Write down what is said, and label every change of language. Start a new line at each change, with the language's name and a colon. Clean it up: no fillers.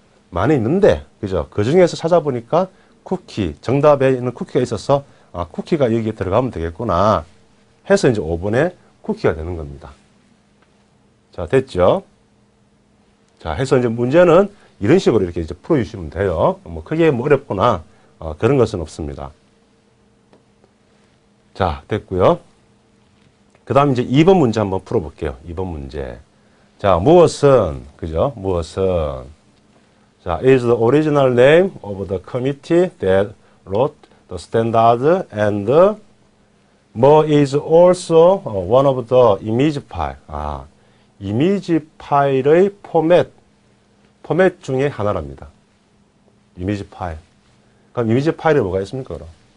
Korean: 많이 있는데, 그죠? 그 중에서 찾아보니까 쿠키, 정답에 있는 쿠키가 있어서 아, 쿠키가 여기에 들어가면 되겠구나 해서 이제 5번에 쿠키가 되는 겁니다. 자, 됐죠? 자, 해서 이제 문제는 이런 식으로 이렇게 이제 풀어주시면 돼요. 뭐 크게 뭐 어렵거나 그런 것은 없습니다. 자, 됐고요. 그 다음 이제 2번 문제 한번 풀어볼게요. 2번 문제. 자, 무엇은, 그죠? 무엇은, 자,
English: is the original name of the committee that wrote the standard and more is also one of the image file.
Korean: 아, 이미지 파일의 포맷 중에 하나랍니다. 이미지 파일. 그럼 이미지 파일에 뭐가 있습니까, 그럼?